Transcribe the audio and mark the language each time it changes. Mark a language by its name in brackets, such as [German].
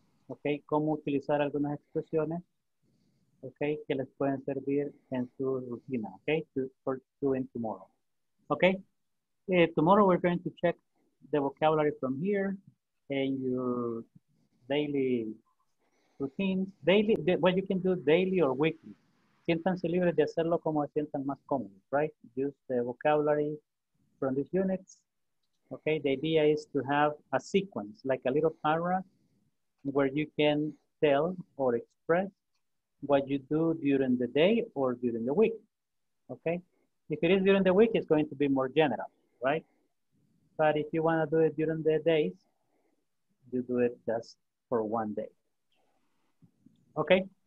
[Spanish] Okay, ¿cómo utilizar algunas expresiones? Okay, que les pueden servir en su rutina, okay, [English] for doing tomorrow. Okay, tomorrow we're going to check the vocabulary from here and your daily routines. Daily, what you can do daily or weekly. [Spanish] Siéntanse libres de hacerlo como sientan más cómodo, right? [English] Use the vocabulary from these units. Okay, the idea is to have a sequence, like a little paragraph where you can tell or express what you do during the day or during the week, okay? If it is during the week, it's going to be more general, right? But if you want to do it during the days, you do it just for one day. Okay?